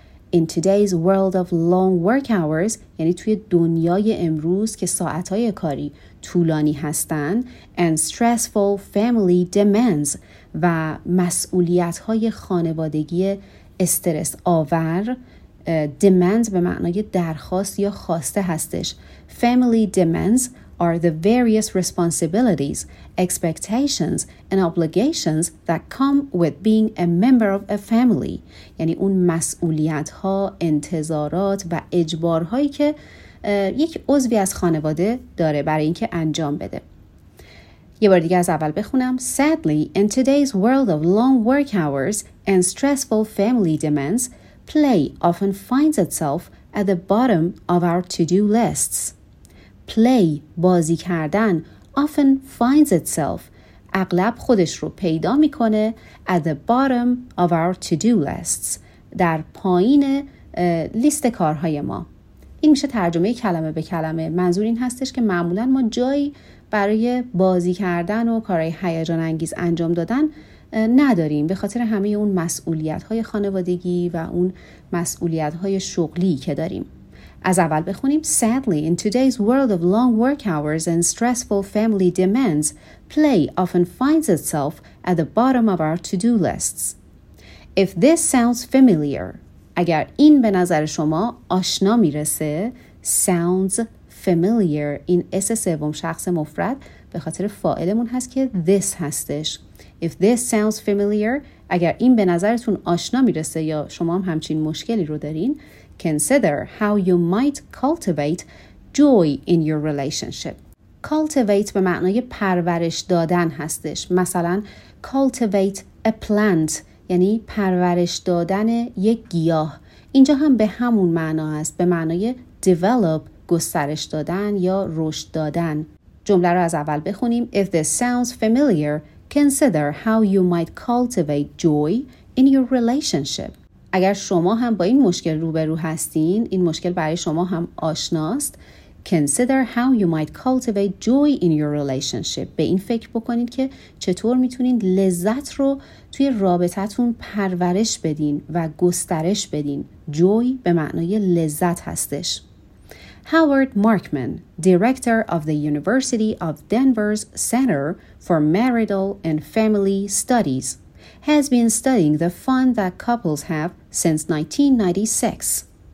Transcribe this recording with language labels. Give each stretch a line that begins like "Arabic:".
English: In today's world of long work hours,
Persian: یعنی توی دنیای امروز که ساعتهای کاری طولانی هستن.
English: And stressful family demands.
Persian: و مسئولیت‌های خانوادگی استرس آور. Demands به معنای درخواست یا خواسته هستش.
English: Family demands are the various responsibilities, expectations, and obligations that come with being a member of a family.
Persian: یعنی اون مسئولیت‌ها، انتظارات و اجبارهایی که یک عضوی از خانواده داره برای اینکه انجام بده. یه بار دیگه از اول بخونم.
English: Sadly, in today's world of long work hours and stressful family demands, play often finds itself at the bottom of our to-do lists. Play,
Persian: بازی کردن,
English: often finds itself,
Persian: اغلب خودش رو پیدا میکنه,
English: at the bottom of our to-do lists,
Persian: در پایین لیست کارهای ما. این میشه ترجمه کلمه به کلمه. منظور این هستش که معمولا ما جایی برای بازی کردن و کارهای هیجان انگیز انجام دادن نداریم به خاطر همه اون مسئولیت‌های خانوادگی و اون مسئولیت‌های شغلی که داریم. از اول بخونیم.
English: Sadly, in today's world of long work hours and stressful family demands, play often finds itself at the bottom of our to-do lists. If this sounds familiar,
Persian: اگر این به نظر شما آشنا میرسه,
English: sounds familiar,
Persian: این اس سوم شخص مفرد به خاطر فاعلمون هست که this هستش.
English: If this sounds familiar,
Persian: اگر این به نظرتون آشنا میرسه یا شما هم همچین مشکلی رو دارین,
English: consider how you might cultivate joy in your relationship.
Persian: Cultivate به معنای پرورش دادن هستش. مثلا
English: cultivate a plant
Persian: یعنی پرورش دادن یک گیاه. اینجا هم به همون معنا هست, به معنای develop, گسترش دادن یا رشد دادن. جمله رو از اول بخونیم.
English: If this sounds familiar, consider how you might cultivate joy in your relationship.
Persian: اگر شما هم با این مشکل روبرو هستین, این مشکل برای شما هم آشناست,
English: consider how you might cultivate joy in your relationship.
Persian: به این فکر بکنید که چطور میتونین لذت رو توی رابطتون پرورش بدین و گسترش بدین. Joy به معنای لذت هستش.
English: Howard Markman, Director of the University of Denver's Center for Marital and Family Studies, has been studying the fun that couples have since 1996.